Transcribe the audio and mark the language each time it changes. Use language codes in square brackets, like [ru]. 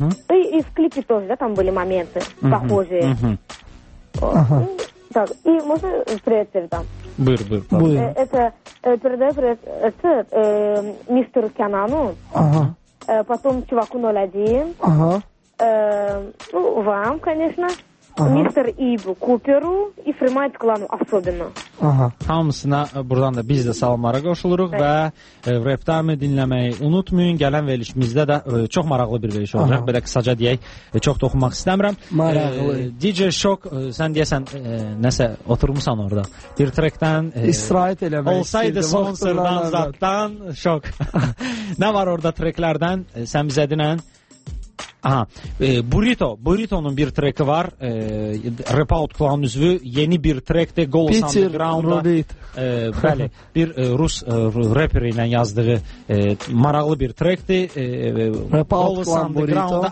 [ru] И в клипе тоже, да, там были моменты похожие. Так, и можно привет теперь там? Бир. Это передаю привет мистеру Кянану. Ага. Потом чуваку 01. Ага. Вам, конечно. Ага. Мистер Ибу Куперу и Фримайт Клану особенно. Ага. [az] Hamısına buradan da biz de salamlara qoşuluruq və Reptime dinləməyi unutmayın. Gələn verilişimizdə də çox maraqlı bir veriliş olacaq. Belə qısaca deyək, çox toxunmaq istəmirəm. Maraqlı. DJ Shock, sən deyəsən, nəsə oturmusan orada. Bir trekdən istirahət eləmək istəyirdim. Olsaydı sponsordan, zaddan, Shock. Nə var orada treklərdən? Sən bizə dinən. Aha, Burrito. Burrito'nun bir treki var. Rap Out Clan üzvü. Yeni bir trekte Golos Underground'da. Bəli, bir Rus rapper ilə yazdığı maraqlı bir trekti. Rap Out Clan Burrito.